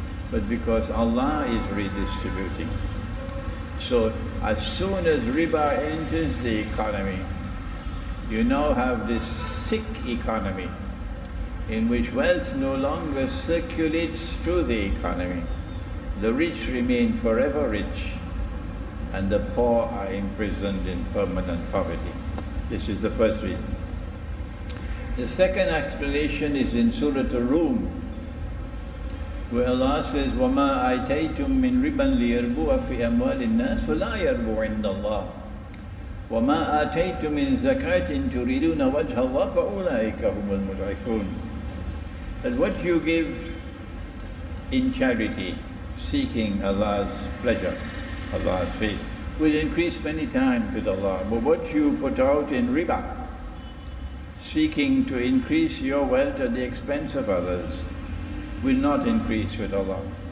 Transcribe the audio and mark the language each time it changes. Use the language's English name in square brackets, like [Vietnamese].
[English] But because Allah is redistributing. So as soon as riba enters the economy, you now have this sick economy in which wealth no longer circulates through the economy. The rich remain forever rich, and the poor are imprisoned in permanent poverty. This is the first reason. The second explanation is in Surah Ar-Rum, where Allah says, [Arabic] وَمَا آتَيْتُم مِّن رِبًا لِيَرْبُوَ فِي أَمْوَالِ النَّاسِ فَلَا يَرْبُوَ عِنْدَ اللَّهِ وَمَا آتَيْتُم مِّن زَكَاةٍ تُرِيدُونَ وَجْهَ اللَّهِ فَأُولَٰئِكَ هُمُ الْمُضْعِفُونَ. [English] That what you give in charity, seeking Allah's pleasure, Allah's faith, will increase many times with Allah. But what you put out in riba, seeking to increase your wealth at the expense of others, will not increase with Allah.